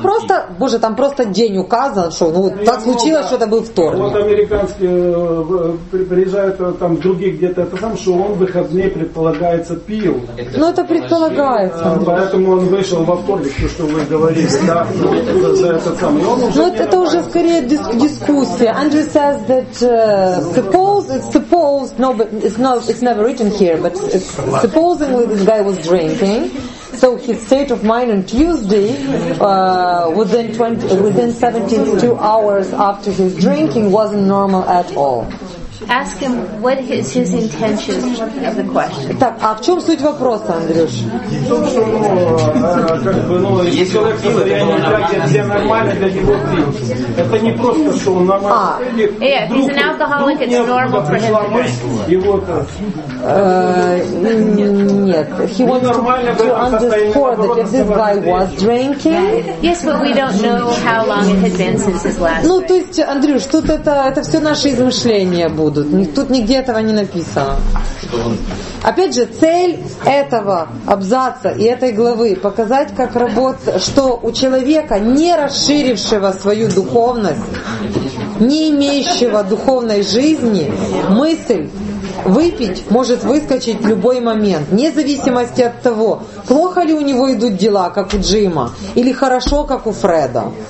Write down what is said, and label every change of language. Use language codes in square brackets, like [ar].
[ru] просто, боже, там просто день указан, что ну, так случилось, что это был вторник. Вот американские приезжают там в других где-то, это там, что он в выходные предполагается пил. Ну это предполагается. Поэтому он вышел во вторник, то, что вы говорили, да, за этот самый. Ну это уже скорее дискуссия. [en] Andrew says that supposed, no, but it's never written here, but supposedly this guy was drinking. So his state of mind on Tuesday, within 72 hours after his drinking, wasn't normal at all. Ask him what is his intention of the question. [ru] Так, а в чем суть вопроса, Андрюш? В том, что, если человек в состоянии тяги, все нормально для него пить. Это не просто, что он нормально. [en] Yeah, he's an alcoholic, it's normal for him. [ru] Нет. [en] He wants to underscore that if this guy was drinking. Yes, but we don't know how long it had been since his last drink. [ru] Ну, то есть, Андрюш, тут это все наши измышления будут. Тут нигде этого не написано. Опять же, цель этого абзаца и этой главы показать, как работает, что у человека, не расширившего свою духовность, не имеющего духовной жизни, мысль выпить может выскочить в любой момент, вне зависимости от того, плохо ли у него идут дела, как у Джима, или хорошо, как у Фреда.